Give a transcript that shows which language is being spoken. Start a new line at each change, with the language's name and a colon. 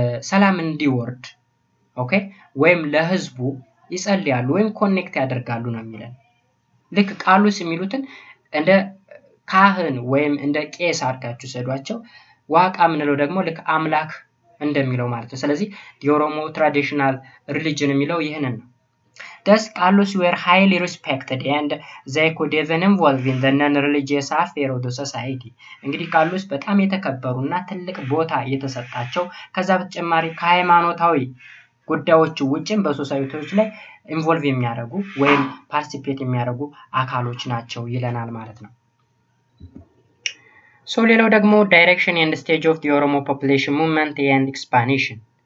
Amharic: ሰላም እንዲወርድ ኦኬ፣ ወይም ለህዝቡ ይጸልያሉ ወይም ኮኔክት ያደርጋሉ ነው የሚለን። ልክ ቃሉስ የሚሉትን እንደ ካህን ወይም እንደ ቄስ አርጋችሁ ሰዷቸው። ዋቃ ምንለው ደግሞ ልክ አምላክ እንደሚለው ማለት ነው። ስለዚህ የኦሮሞ ትራዲሽናል ሪሊጅን የሚለው ይህንን ነው።
English: Thus, Carlos were highly respected and they could even involve in the non-religious affairs of the society.
Amharic: እንግዲህ ካርሎስ በጣም የተከበሩና ትልቅ ቦታ የተሰጣቸው ከዛ በተጨማሪ ከሃይማኖታዊ ጉዳዮች ውጪም በሶሳይቲዎች ላይ involve የሚያደርጉ ወይም participate የሚያደርጉ አካሎች ናቸው ይለናል ማለት ነው። So, ሌላው ደግሞ
English: direction and stage of the Oromo population movement and expansion.